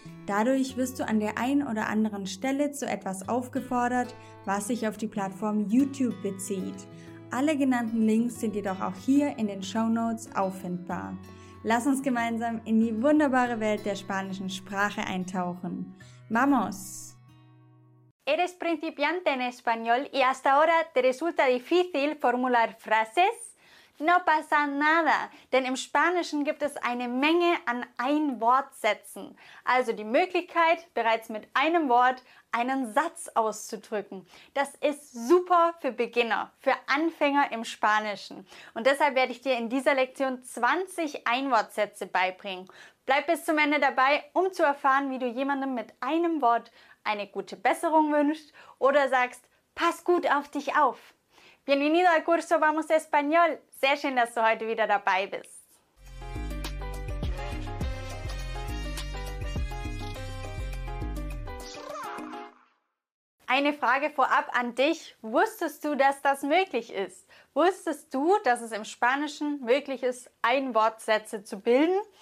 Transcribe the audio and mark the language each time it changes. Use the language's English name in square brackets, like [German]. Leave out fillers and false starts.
[German] Dadurch wirst du an der einen oder anderen Stelle zu etwas aufgefordert, was sich auf die Plattform YouTube bezieht. Alle genannten Links sind jedoch auch hier in den Shownotes auffindbar. Lass uns gemeinsam in die wunderbare Welt der spanischen Sprache eintauchen. [Spanish] ¡Vamos! ¿Eres principiante en español y hasta ahora te resulta difícil formular frases? No pasa nada, [German] denn im Spanischen gibt es eine Menge an Einwortsätzen, also die Möglichkeit, bereits mit einem Wort einen Satz auszudrücken. Das ist super für Beginner, für Anfänger im Spanischen. Und deshalb werde ich dir in dieser Lektion 20 Einwortsätze beibringen. Bleib bis zum Ende dabei, um zu erfahren, wie du jemandem mit einem Wort eine gute Besserung wünschst oder sagst, pass gut auf dich auf. [Spanish] Bienvenido al curso Vamos Español. [German] Sehr schön, dass du heute wieder dabei bist. Eine Frage vorab an dich. Wusstest du, dass das möglich ist? Wusstest du, dass es im Spanischen möglich ist, Einwortsätze zu bilden?